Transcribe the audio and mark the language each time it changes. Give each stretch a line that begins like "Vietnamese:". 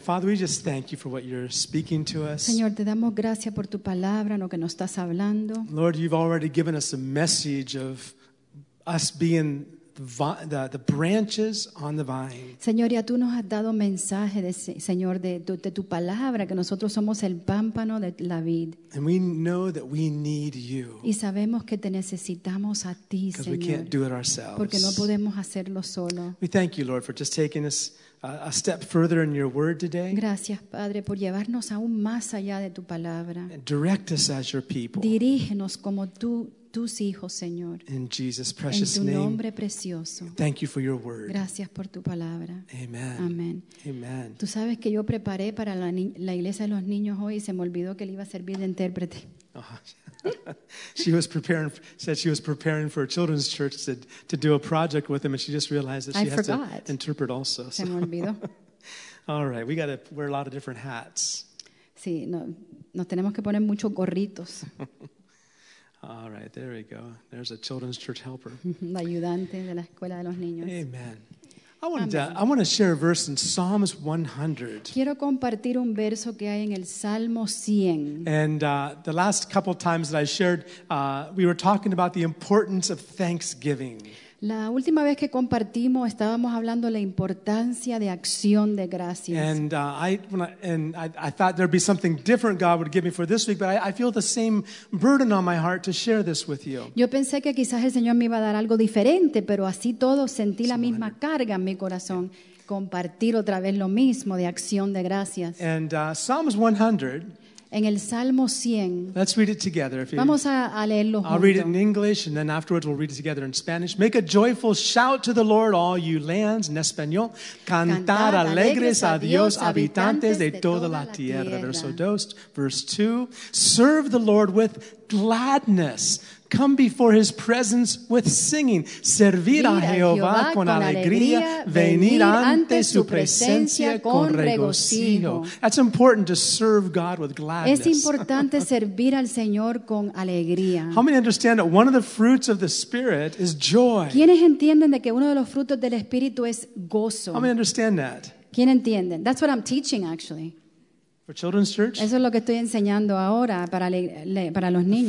English: Father, we just thank you for what you're speaking to us.
Spanish: Señor, te damos gracias por tu palabra, lo que nos estás hablando.
English: Lord, you've already given us a message of us being the branches on the vine.
Spanish: Señor, ya tú nos has dado mensaje de Señor de tu palabra que nosotros somos el pámpano de la vid.
English: And we know that we need you.
Spanish: Y sabemos que te necesitamos a ti, Señor.
English: Because we can't do it ourselves.
Spanish: Porque no podemos hacerlo solo.
English: We thank you, Lord, for just taking us a step further in your word today.
Spanish: Gracias, Padre, por llevarnos aún más allá de tu palabra.
English: And direct us as your people.
Spanish: Dirígenos como tus hijos, Señor.
English: In Jesus' precious
Spanish: en tu
English: name.
Spanish: Nombre precioso.
English: Thank you for your word.
Spanish: Gracias por tu palabra.
English: Amen. Amen. Amen.
Spanish: Tú sabes que yo preparé para la iglesia de los niños hoy y se me olvidó que le iba a servir de intérprete.
English: She was preparing, said she was preparing for a children's church to do a project with them, and she just realized that she has to interpret also.
Spanish: So. Se me olvidó.
English: All right, we got to wear a lot of different hats.
Spanish: Sí, no, nos tenemos que poner muchos gorritos.
English: All right, there we go. There's a children's church helper.
Spanish: La ayudante de la escuela de los niños.
English: Amen. I want to share a verse in Psalms 100.
Spanish: Quiero compartir un verso que hay en el Salmo 100.
English: And the last couple times that I shared, we were talking about the importance of thanksgiving.
Spanish: La última vez que compartimos estábamos hablando de la importancia de acción de gracias.
English: And I thought there'd be something different God would give me for this week, but I feel the same burden on my heart to share this with you.
Spanish: Yo pensé que quizás el Señor me iba a dar algo diferente, pero así todo sentí la misma carga en mi corazón compartir otra vez lo mismo de acción de gracias.
English: And Psalms 100.
Spanish: En el Salmo 100.
English: Let's read it together. If you,
Spanish: vamos a leerlo junto.
English: I'll read it in English and then afterwards we'll read it together in Spanish. Make a joyful shout to the Lord, all you lands,
Spanish: en español. Cantar alegres a Dios, habitantes de toda la tierra. Verso 2,
English: verse 2. Serve the Lord with gladness. Come before his presence with singing.
Spanish: Servir a Jehová con alegría. Venir ante su presencia con regocijo.
English: That's important to serve God with gladness.
Spanish: Es importante servir al Señor con alegría.
English: How many understand that one of the fruits of the Spirit is joy?
Spanish: ¿Quiénes entienden de que uno de los frutos del Espíritu es gozo?
English: How many understand that?
Spanish: ¿Quién entienden?
English: That's what I'm teaching, actually. For children's church?
Spanish: Eso es lo que estoy enseñando ahora para los niños.